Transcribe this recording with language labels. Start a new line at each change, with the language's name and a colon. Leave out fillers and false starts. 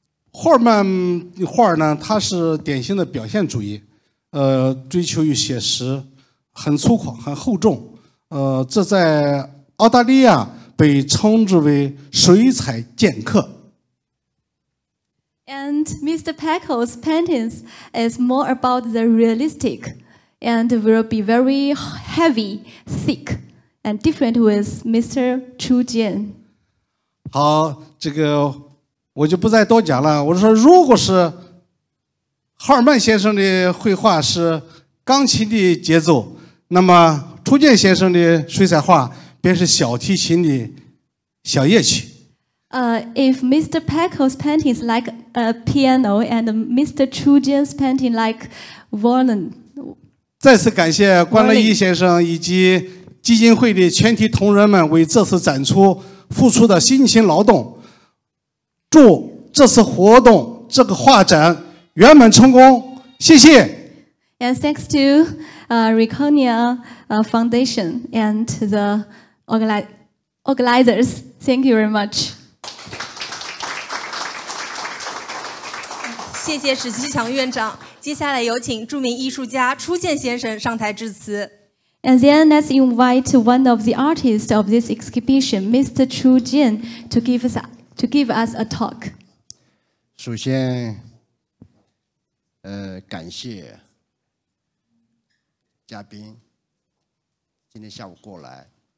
Chinese: 霍尔曼画呢，他是典型的表现主义，追求于写实，很粗犷，很厚重，这在澳大利亚被称之为水彩剑客。
English: And Mr. Peckel's paintings is more about the realistic, and will be very heavy, thick, and different with Mr. Chu Jian.
Chinese: 好，这个。我就不再多讲了，我说如果是霍尔曼先生的绘画是钢琴的节奏，那么初见先生的水彩画便是小提琴的小夜曲。
English: If Mr. Peckel's painting is like a piano and Mr. Chu Jian's painting like violin.
Chinese: 再次感谢关乐一先生以及基金会的全体同仁们为这次展出付出的辛勤劳动。祝这次活动这个画展圆满成功，谢谢。
English: And thanks to Reconia Foundation and the organizers. Thank you very much.
Chinese: 谢谢史奇强院长。接下来有请著名艺术家初见先生上台致辞。
English: And then let's invite one of the artists of this exhibition, Mr. Chu Jian, to give us a talk.
Chinese: 首先感谢嘉宾今天下午过来。